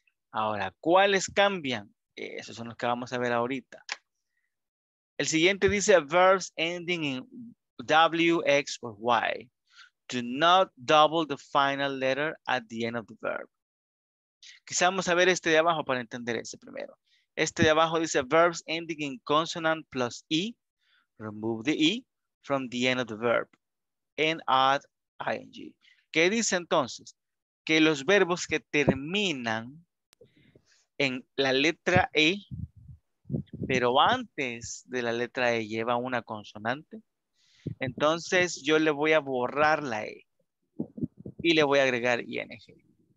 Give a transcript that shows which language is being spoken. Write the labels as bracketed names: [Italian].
[Spanish] Ahora, ¿cuáles cambian? Esos son los que vamos a ver ahorita. [English] El siguiente dice verbs ending in W, X or Y. Do not double the final letter at the end of the verb. [Spanish] Quizá vamos a ver este de abajo para entender ese primero. [English] Este de abajo dice verbs ending in consonant plus E. Remove the E from the end of the verb and add ING. [Spanish] ¿Qué dice entonces? Que los verbos que terminan en la letra E, pero antes de la letra E lleva una consonante, entonces yo le voy a borrar la E y le voy a agregar ING.